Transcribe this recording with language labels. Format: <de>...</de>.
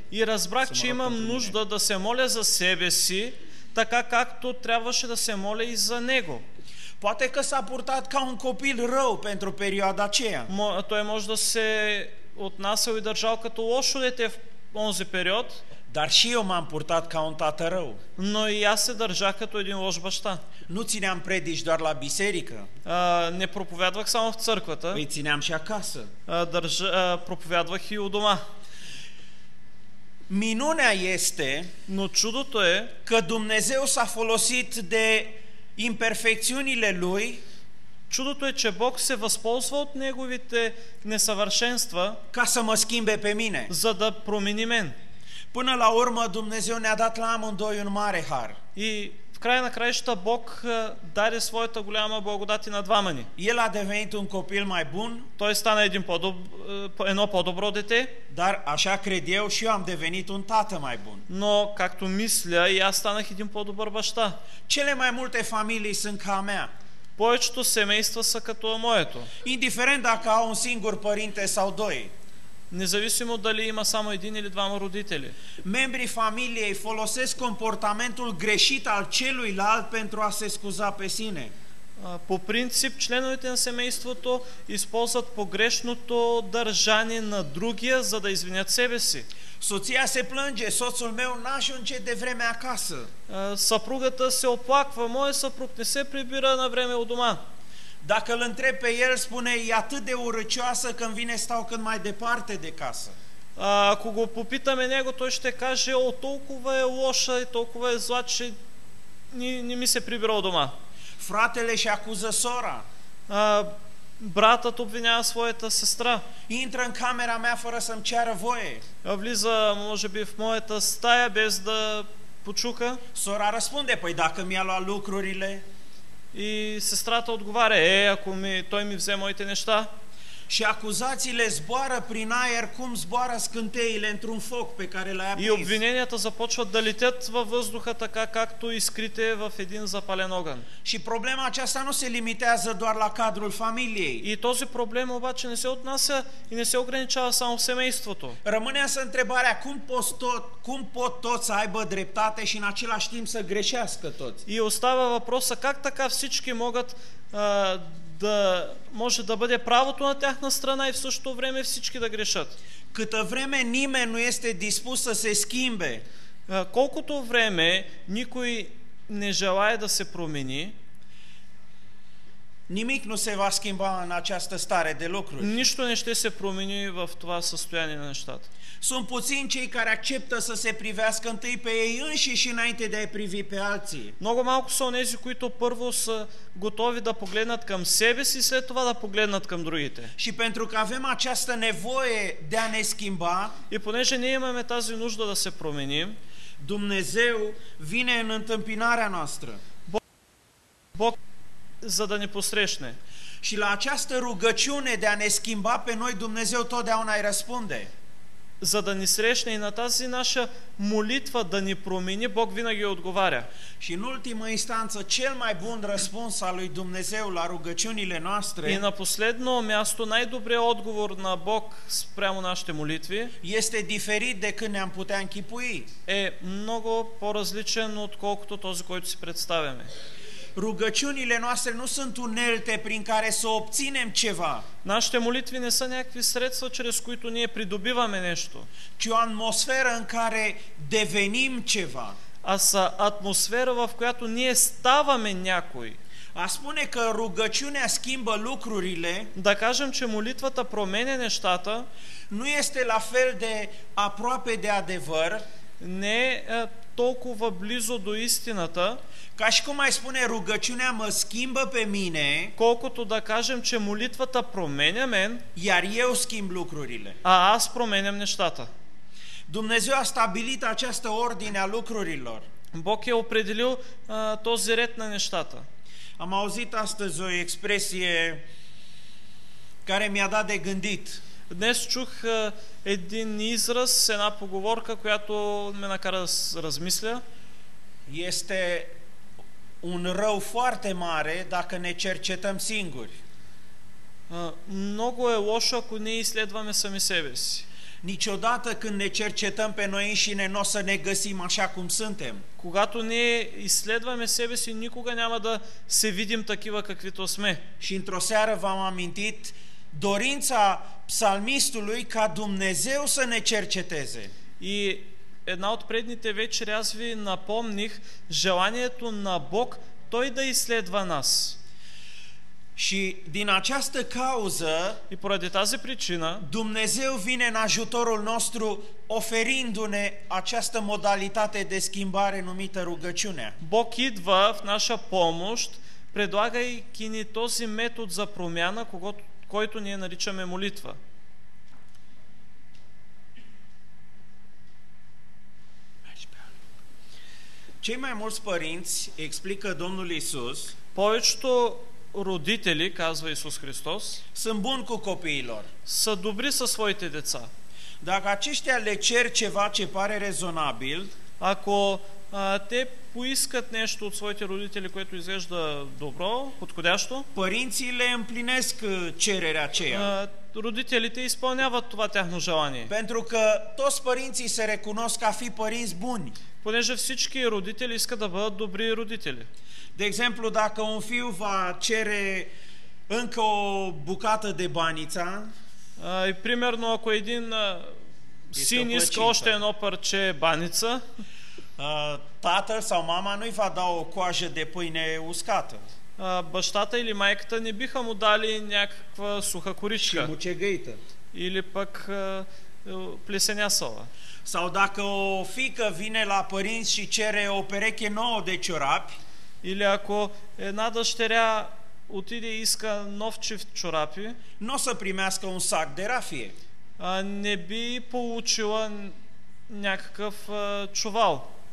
<bg>И разбрах, че имам нужда да се моля за себе си, така както трябваше да се моля и за него.</bg> <ro>Poate că s-a purtat ca un copil rău pentru perioada aceea.</ro> <bg>Той може да се отнасял и държал като лошо дете в онзи период.</bg> <ro>Dar și eu m-am purtat ca un tată rău.</ro> <bg>Но и аз се държах като един лош баща.</bg> <ro>Nu țineam predici doar la biserică.</ro> <bg>Не проповядвах само в църквата.</bg> <ro>Îi țineam și acasă.</ro> <bg>Проповядвах и у дома.</bg> <ro>Minunea este,</ro> <bg>но чудото е,</bg> <ro>că Dumnezeu s-a folosit de imperfecțiunile lui.</ro> <bg>Чудото е, че Бог се възползва от неговите несъвършенства,</bg> <ro>ca să mă schimbe pe mine.</ro> <bg>За да промени мен.</bg> <ro>Până la urmă Dumnezeu ne-a dat la amândoi un mare har.</ro> <bg>И в края на краищата Бог даде своята голяма благодат и на двама ни.</bg> <ro>El a devenit un copil mai bun.</ro> <bg>Той стана едно по-добро дете.</bg> <ro>Dar așa cred eu și eu am devenit un tată mai bun.</ro> <bg>Но както мисля, и аз станах един по-добър баща.</bg> <ro>Cele mai multe familii sunt ca a mea.</ro> <bg>Повечето семейства са като a моето.</bg> <ro>Indiferent dacă au un singur părinte sau doi.</ro> <bg>Независимо дали има само един или двама родители.</bg> <ro>Membrii familiei folosesc comportamentul greșit al celuilalt pentru a se scuza pe sine.</ro> <bg>По принцип членовете на семейството използват погрешното държание на другия, за да извинят себе си.</bg> <ro>Soția se plânge, soțul meu n-ajunge de vreme acasă.</ro> <bg>Съпругата се оплаква, моя съпруг не се прибира на време у дома.</bg> <ro>Dacă îl întreb pe el, spune, e atât de urăcioasă când vine stau cât mai departe de casă.</ro> <bg>Ако го попитаме него, той ще каже, о, толкова е лоша и толкова е зла, че не ми се прибира у дома.</bg> <ro>Fratele își acuză sora.</ro> <bg>Братът обвинява своята сестра.</bg> <ro>Intră în camera mea fără să-mi ceară voie.</ro> <bg>Влиза, може би, в моята стая без да почука.</bg> <ro>Sora răspunde, păi dacă mi-a luat lucrurile...</ro> <bg>И сестрата отговаря, е, ако той ми взе моите неща.</bg> <ro>Și acuzațiile zboară prin aer cum zboară scânteile într-un foc pe care l-ai aprins.</ro> <bg>И обвиненията започват да летят във въздуха така както искрите в един запален огън.</bg> <ro>Și problema aceasta nu se limitează doar la cadrul familiei.</ro> <bg>И този проблем обаче не се отнася и не се ограничава само в семейството.</bg> <ro>Rămâne să întrebarea cum pot toți să aibă dreptate și în același timp să greșească toți.</ro> <bg>И остава въпроса как така всички могат да може да бъде правото на тяхна страна и в същото време всички да грешат.</bg> <ro>Câtă време nimeni nu este dispus să se schimbe.</ro> <bg>Колкото време никой не желае да се промени,</bg> <ro>Nimic nu se va schimba în această stare de lucruri.</ro> <bg>Nișto nu se promeni în това състояние на нещата.</bg> <ro>Sunt puțini cei care acceptă să se privească întâi pe ei înșiși înainte de a-i privi pe alții.</ro> <bg>Много малко са онези, които първо са готови да погледнат към себе си, след това да погледнат към другите.</bg> <ro>Și pentru că avem această nevoie de a ne schimba,</ro> <bg>и понеже ние имаме тази нужда да се променим,</bg> <ro>Dumnezeu vine în întâmpinarea noastră.</ro> <bg>Бог за да ни посрещне.</bg> <ro>Și la această rugăciune de a ne schimba pe noi, Dumnezeu totdeauna îi răspunde.</ro> <bg>За да ни срещне и на тази наша молитва да ни промени, Бог винаги отговаря.</bg> <ro>Și în ultimă instanță, cel mai bun răspuns al lui Dumnezeu la rugăciunile noastre.</ro> <bg>И на последно място, най-добрият отговор на Бог спрямо нашите молитви.</bg> <ro>Este diferit de când ne-am putea închipui.</ro> <bg>Е много по-различен отколкото този, който си представяме.</bg> <ro>Rugăciunile noastre nu sunt unelte prin care să obținem ceva.</ro> <bg>Нашите молитви не са някакви средства чрез които ние придобиваме нещо.</bg> <ro>Ci o atmosferă în care devenim ceva.</ro> <bg>А са атмосфера в която ние ставаме някой.</bg> <ro>А spune că rugăciunea schimbă lucrurile.</ro> <bg>Да кажем че молитвата променя нещата.</bg> <ro>Nu este la fel de aproape de adevăr.</ro> <bg>Не толкова близо до истината.</bg> <ro>Ca și cum ai spune rugăciunea mă schimbă pe mine,</ro> <bg>колкото да кажем че молитвата променя мен,</bg> <ro>iar eu schimb lucrurile.</ro> <bg>А аз променям нещата.</bg> <ro>Dumnezeu a stabilit această ordine a lucrurilor.</ro> <bg>Бог е определил този ред на нещата.</bg> <ro>Am auzit astăzi o expresie care mi-a dat de gândit.</ro> <bg>Днес чух един израз, една поговорка, която ме накара да размисля.</bg> <ro>Este un rău foarte mare dacă ne cercetăm singuri.</ro> <bg>Много е лошо, ако ние изследваме сами себе си.</bg> <ro>Niciodată când ne cercetăm pe noi înșine, n-o să ne găsim așa cum suntem.</ro> <bg>Когато ние изследваме себе си, никога няма да се видим такива каквито сме.</bg> <ro>Și într-o seară v-am amintit dorința psalmistului ca Dumnezeu să ne cerceteze.</ro> <bg>И една от предните вечери аз ви напомних желанието на Бог той да изследва нас.</bg> <ro>Și din această cauză,</ro> <bg>и поради тази причина,</bg> <ro>Dumnezeu vine în ajutorul nostru oferindu-ne această modalitate de schimbare numită rugăciunea.</ro> <bg>Бог идва в наша помощ, предлагайки ни този метод за промяна, който ние наричаме молитва.</bg> <ro>Cei mai mulți părinți explică Domnul Iisus.</ro> <bg>Повечето родители, казва Исус Христос,</bg> <ro>sunt buni cu copiilor.</ro> <bg>Са добри със своите деца.</bg> <ro>Dacă aceștia le cer ceva ce pare rezonabil,</ro> <bg>ако те поискат нещо от своите родители, което изглежда добро, подходящо,</bg> <ro>părinții le împlinesc cererea aceea.</ro> <bg>Родителите изпълняват това тяхно желание.</bg> <ro>Pentru că toți părinții se recunosc ca fi părinți buni.</ro> <bg>Понеже всички родители искат да бъдат добри родители.</bg> <ro>De exemplu, dacă un fiu va cere încă o bucată de banița,</ro> <bg>примерно ако един син иска още едно парче баница,</bg> <ro>tatăl sau mama nu-i va da o coajă de pâine uscată.</ro> <bg>Бащата или майката не биха му дали някаква суха коричка.</bg> <ro>Și mucegăită.</ro> <bg>Или пък плесенясова.</bg> <ro>Sau dacă o fiică vine la părinți și cere o pereche nouă de ciorapi,</ro> <bg>или ако една дъщеря отиде и иска нов чифт чорапи,</bg> <ro>n-o să primească un sac de rafie.</ro> <bg>Не би получила някакъв чувал.</bg>